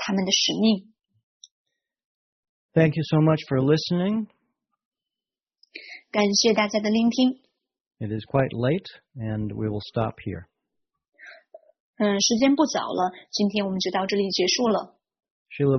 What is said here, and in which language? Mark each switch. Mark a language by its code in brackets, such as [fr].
[zh] 是的,他给Bhaktivinoda Thakur给我们一滴仁慈,让我们的内心也注入对我们的灵性导师和Krishna的奉爱,让我们全力以赴地协助Chaitanya Mahaprabhu和他的同游推动他们的使命。 [en] Thank you so much for listening. [zh] 感谢大家的聆听。 [en] It is quite late and we will stop here. [zh] 时间不早了,今天我们就到这里结束了。Srila